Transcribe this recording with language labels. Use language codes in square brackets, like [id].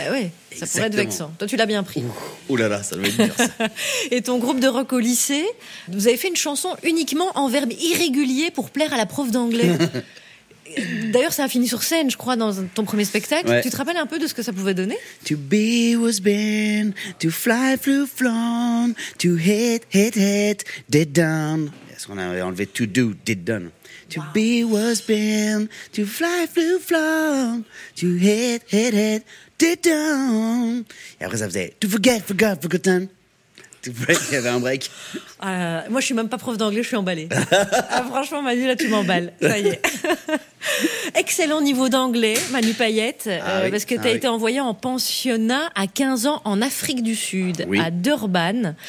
[fr] Ouais. Ça pourrait être vexant. Toi, tu l'as bien pris. Ouh là là, ça devait être dur, ça. Et ton groupe de rock au lycée, vous avez fait une chanson uniquement en verbe irrégulier pour plaire à la prof d'anglais. D'ailleurs, ça a fini sur scène, je crois, dans ton premier spectacle. Ouais. Tu te rappelles un peu de ce que ça pouvait donner ? [en] To be was been, to fly flew flown, to hit, did done. [fr] Est-ce qu'on a enlevé [en] to do, did done ? To be was been, to fly, flew, flown, to hit, did down. [fr] Et après, ça faisait [en] to forget, forgot, forgotten. To break, [fr] il y avait un break. Moi, je suis même pas prof d'anglais, je suis emballée. Ah, franchement, Manu, là, tu m'emballes. Ça y est. Excellent niveau d'anglais, Manu Payette, oui. Parce que tu as été envoyé en pensionnat à 15 ans en Afrique du Sud, à Durban.